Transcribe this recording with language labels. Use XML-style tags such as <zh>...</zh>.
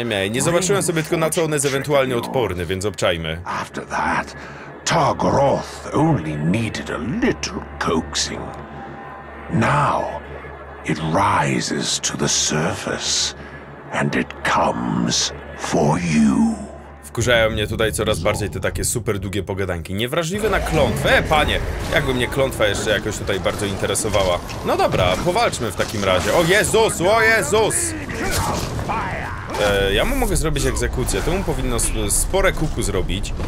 <pl>Nie zobaczyłem sobie tylko, na co on jest ewentualnie odporny, więc obczajmy.</pl> <en>Targroth only needed a little coaxing. Now it rises to the surface and it comes for you.</en> <pl>Wkurzają mnie tutaj coraz bardziej te takie super długie pogadanki. Niewrażliwe na klątwę. Panie, jakby mnie klątwa jeszcze jakoś tutaj bardzo interesowała. No dobra, powalczmy w takim razie. O Jezus, o Jezus! Ja mu mogę zrobić egzekucję, to mu powinno spore kuku zrobić.</pl>